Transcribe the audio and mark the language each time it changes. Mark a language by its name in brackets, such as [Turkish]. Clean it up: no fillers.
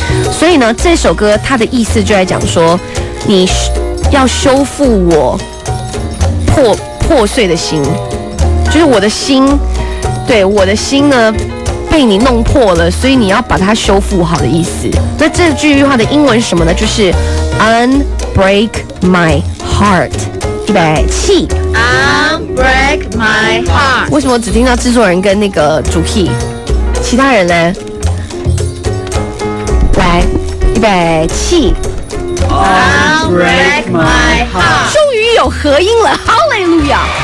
[Chinese] 所以呢，这首歌它的意思就在讲说，你要修复我破碎的心，就是我的心，对，我的心呢被你弄破了，所以你要把它修复好的意思。那这句话的英文是什么呢？就是 [English] unbreak my heart， [Chinese] 预备起。 [English] Unbreak my heart。 [Chinese] 为什么只听到制作人跟那个主 key， 其他人呢？来，预备起。 [English] Unbreak my heart。 [Chinese] 终于有合音了，哈利路亚。